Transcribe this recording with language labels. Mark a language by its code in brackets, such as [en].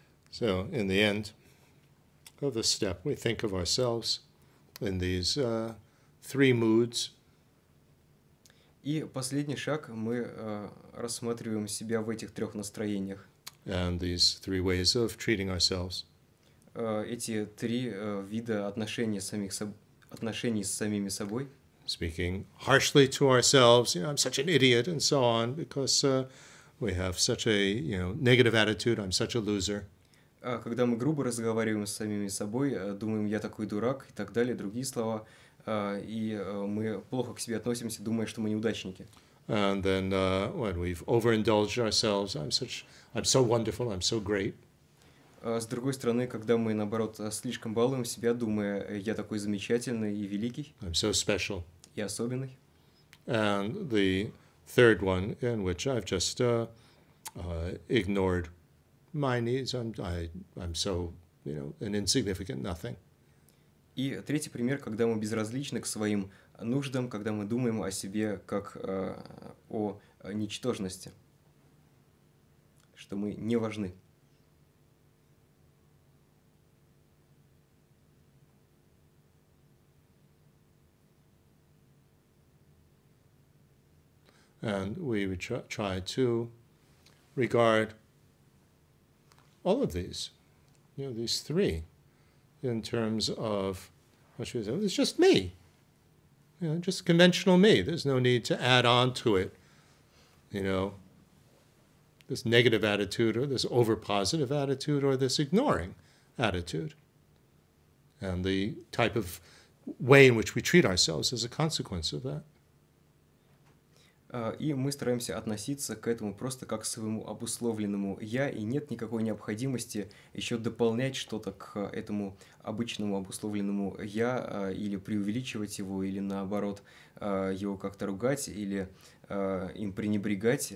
[en] So, in the end of the step, we think of ourselves in these three moods. [ru] И последний шаг, мы рассматриваем себя в этих трех настроениях. [en] And these three ways of treating ourselves. [ru] Эти три вида отношений с самими собой. [en] speaking harshly to ourselves, you know, I'm such an idiot and so on, because we have such a, you know, negative attitude, I'm such a loser. [ru] Когда мы грубо разговариваем с самими собой, думаем, я такой дурак и так далее, другие слова, и мы плохо к себе относимся, думая, что мы неудачники. [en] And then when we've overindulged ourselves, I'm so wonderful, I'm so great. [ru] С другой стороны, когда мы, наоборот, слишком балуем себя, думая, я такой замечательный и великий. [en] I'm so special. [ru] И особенный. [en] And the third one, in which I've just ignored my needs, I'm so, you know, an insignificant nothing. [ru] И третий пример, когда мы безразличны к своим нуждам, когда мы думаем о себе как о ничтожности, что мы не важны. [en] And we try to regard all of these, you know, these three, in terms of, what should we say, it's just me, you know, just conventional me. There's no need to add on to it, you know, this negative attitude or this over-positive attitude or this ignoring attitude, and the type of way in which we treat ourselves as a consequence of that. [ru] И мы стараемся относиться к этому просто как к своему обусловленному «я», и нет никакой необходимости еще дополнять что-то к этому обычному обусловленному «я», или преувеличивать его, или наоборот, его как-то ругать, или им пренебрегать.